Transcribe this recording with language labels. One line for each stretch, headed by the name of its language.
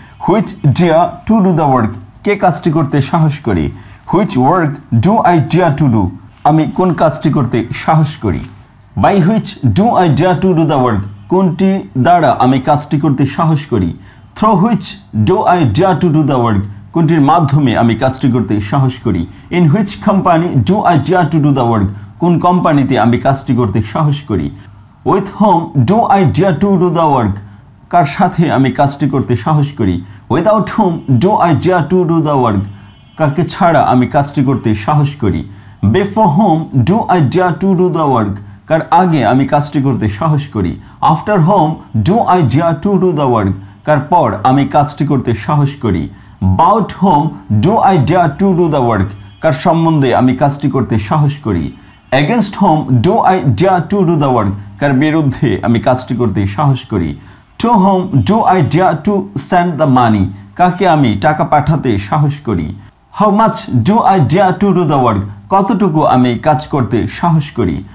English: Which dare to do the work?
Bangla: কে কাজটি করতে সাহস করে?
English: Which work do I dare to do?
Bangla: আমি কোন কাজটি করতে সাহস করি?
English: By which do I dare to do the work?
Bangla: কোনটি দ্বারা আমি কাজটি করতে সাহস করি?
English: Through which do I dare to do the work?
Bangla: কোনটির মাধ্যমে আমি কাজটি করতে সাহস করি?
English: In which company do I dare to do the work?
Bangla: কোন কোম্পানিতে আমি কাজটি করতে সাহস করি?
English: With whom do I dare to do the work?
Bangla: কার সাথে আমি কাজটি করতে সাহস করি?
English: Without whom do I dare to do the work?
Bangla: কাকে ছাড়া আমি কাজটি করতে সাহস করি?
English: Before whom do I dare to do the work?
Bangla: কার আগে আমি কাজটি করতে সাহস করি?
English: After whom do I dare to do the work?
Bangla: কার পর আমি কাজটি করতে সাহস করি?
English: About whom do I dare to do the work?
Bangla: কার সম্বন্ধে আমি কাজটি করতে সাহস করি?
English: Against whom do I dare to do the work?
Bangla: কার বিরুদ্ধে আমি কাজটি করতে সাহস করি?
English: To whom do I dare to send the money?
Bangla: কাকে আমি টাকা পাঠাতে সাহস করি?
English: How much do I dare to do the work?
Bangla: কতটুকু আমি কাজ করতে সাহস করি?